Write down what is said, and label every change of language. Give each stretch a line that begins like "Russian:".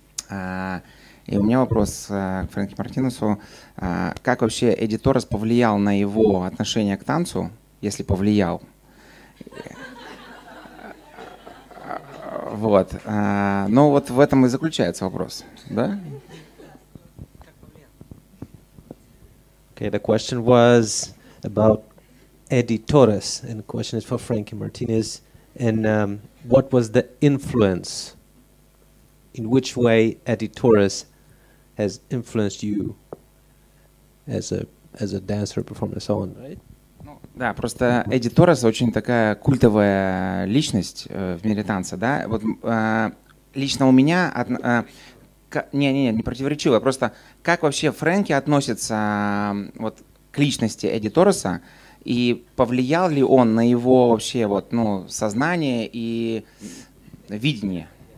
Russian: И у меня вопрос к Фрэнки Мартинесу. Как вообще Эдди Торрес повлиял на его отношение к танцу, если повлиял? Вот. Ну, вот в этом и заключается вопрос, да?
English: Okay, the question was about Eddie Torres, and the question is for Frankie Martinez, and what was the influence, in which way Eddie Torres has influenced you as a dancer, performer, so on, right?
Russian: Да, просто Эдди Торрес очень такая культовая личность в мире танца, да. Вот лично у меня не противоречиво, просто как вообще Фрэнки относится вот к личности Эдди Торреса и повлиял ли он на его вообще вот ну сознание и видение?